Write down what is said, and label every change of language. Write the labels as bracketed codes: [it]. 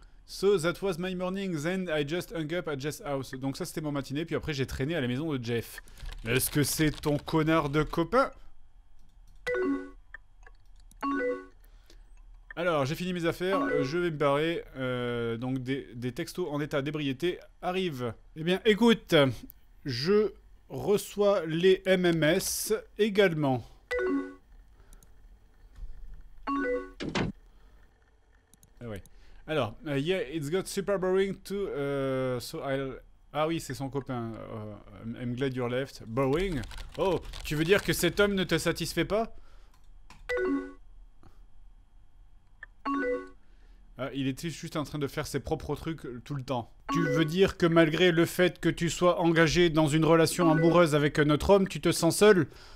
[en] So that was my morning, then I just hung up at Jeff's house. [fr] Donc ça, c'était mon matinée, puis après, j'ai traîné à la maison de Jeff. Est-ce que c'est ton connard de copain? Alors, j'ai fini mes affaires, je vais me barrer. Donc, des textos en état d'ébriété arrivent. Eh bien, écoute, je reçois les MMS également. Ouais. [en] Alors, yeah, it's got super boring too, so I'll... [fr] Ah oui, c'est son copain. [en] I'm glad you're left. Boring? [fr] Oh, tu veux dire que cet homme ne te satisfait pas? Ah, il était juste en train de faire ses propres trucs tout le temps. Tu veux dire que malgré le fait que tu sois engagé dans une relation amoureuse avec un autre homme, tu te sens seul?